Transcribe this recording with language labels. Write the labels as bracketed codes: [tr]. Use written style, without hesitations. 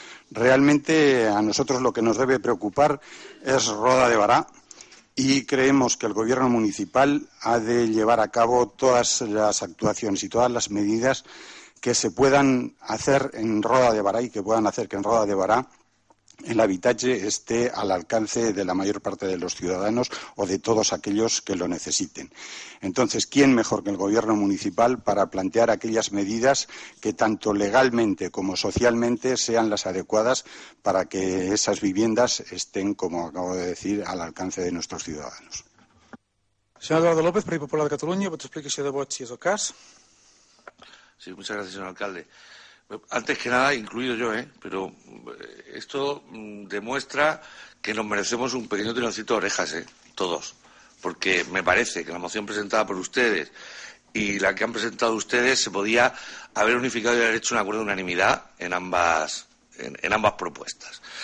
[es] Realmente a nosotros lo que nos debe preocupar es Roda de Barà y creemos que el gobierno municipal ha de llevar a cabo todas las actuaciones y todas las medidas que se puedan hacer en Roda de Barà y que puedan hacer que en Roda de Barà el habitatge esté al alcance de la mayor parte de los ciudadanos o de todos aquellos que lo necesiten. Entonces, ¿quién mejor que el gobierno municipal para plantear aquellas medidas que tanto legalmente como socialmente sean las adecuadas para que esas viviendas estén, como acabo de decir, al alcance de nuestros ciudadanos? [ca] Senyor Eduardo López, Partit Popular de Catalunya, pot explicar si de vot, si és el cas. [es] Sí, muchas gracias, señor alcalde. Antes que nada, incluido yo, pero esto demuestra que nos merecemos un pequeño tironcito de orejas, todos. Porque me parece que la moción presentada por ustedes y la que han presentado ustedes se podía haber unificado y haber hecho un acuerdo de unanimidad en ambas propuestas.